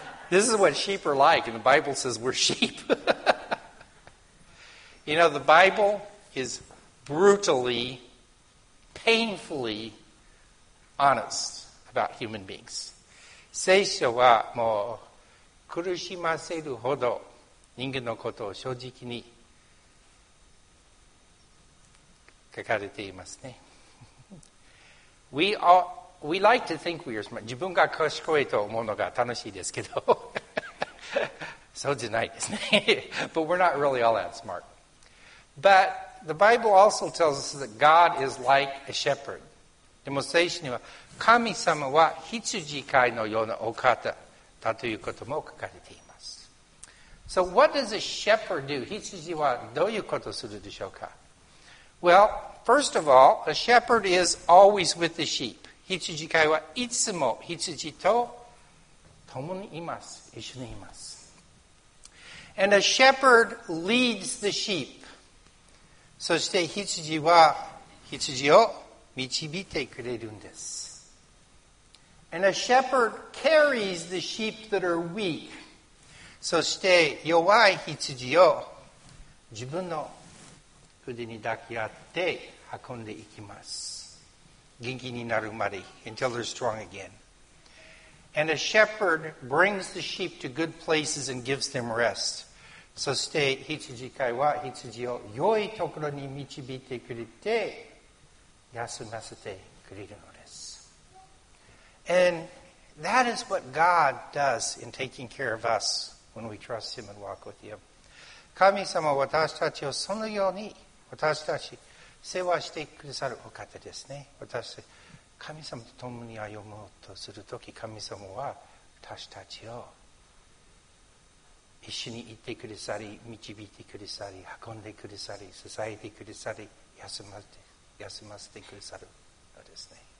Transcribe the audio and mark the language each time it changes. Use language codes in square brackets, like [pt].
[en] This is what sheep are like, and the Bible says we're sheep. You know, the Bible isbrutally, painfully honest about human beings. [ja] 聖書はもう苦しませるほど人間のことを正直に書かれていますね。 [en] We like to think we are smart. [ja] 自分が賢いと思うのが楽しいですけど、そうじゃないですね。 [en] But we're not really all that smart. ButThe Bible also tells us that God is like a shepherd. [ja] でも聖書には神様は羊飼いのようなお方だということも書かれています。 [en] So what does a shepherd do? [ja] 羊はどういうことをするでしょうか? [en] Well, first of all, a shepherd is always with the sheep. [ja] 羊飼いはいつも羊と共にいます。一緒にいます。 [en] And a shepherd leads the sheep. [ja] そして羊は羊を導いてくれるんです。 [en] And a shepherd carries the sheep that are weak. [ja] そして弱い羊を自分の腕に抱き合って運んでいきます。元気になるまで [en] until they're strong again. And a shepherd brings the sheep to good places and gives them rest. [ja] そして羊飼いは羊を良いところに導いてくれて休ませてくれるのです。 [en] And that is what God does in taking care of us when we trust Him and walk with Him. [ja] 神様は私たちをそのように私たち世話してくださるお方ですね。私たち神様と共に歩もうとするとき、神様は私たちを一緒に行ってくださり、導いてくださり、運んでくださり、支えてくださり、休ませてくださるのですね。